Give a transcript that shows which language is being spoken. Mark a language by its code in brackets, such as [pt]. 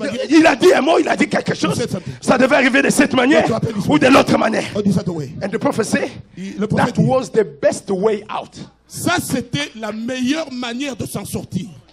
[fr] Il a dit un mot, il a dit quelque chose. Ça devait arriver de cette manière ou de l'autre manière. [en] And the prophet said, that was the best way out. [fr] Ça, c'était la meilleure manière de s'en sortir.